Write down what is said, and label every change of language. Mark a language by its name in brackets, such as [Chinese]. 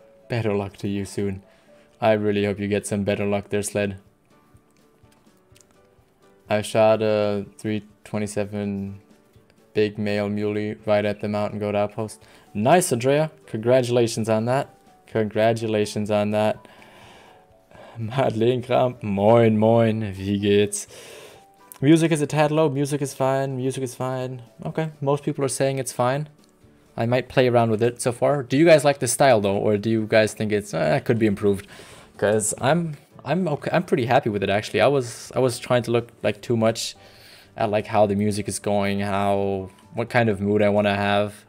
[English] Better luck to you soon. I really hope you get some better luck there, Sled. I shot a 327 big male muley right at the mountain goat outpost. Nice, Andrea. Congratulations on that. Congratulations on that. [German] Madeleine Kramp, moin, moin, wie geht's? [English] Music is a tad low. Music is fine. Music is fine. Okay, most people are saying it's fine. I might play around with it so far. Do you guys like the style though, or do you guys think it's could be improved? Because I'm okay. I'm pretty happy with it actually. I was trying to look like too much at like how the music is going, how what kind of mood I want to have.